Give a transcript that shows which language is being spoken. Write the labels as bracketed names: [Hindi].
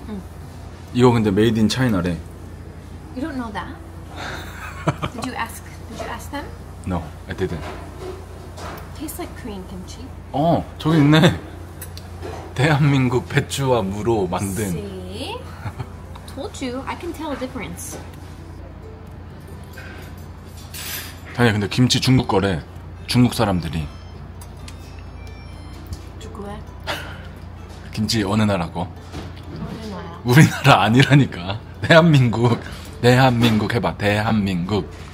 [Korean] 응. 이거 근데 [English] made in China [Korean] 래. [English] You don't know that? Did you ask? Did you ask them? No, I didn't. Tastes like Korean kimchi. [Korean] 어, 저기 있네. 대한민국 배추와 무로 만든. [English] See? Told you, I can tell the difference. [Korean] 다니아, 근데 김치 중국 거래. 중국 사람들이. 누구야? 김치 어느 나라 거? 우리나라. 우리나라 아니라니까. 대한민국. 대한민국 해봐. 대한민국.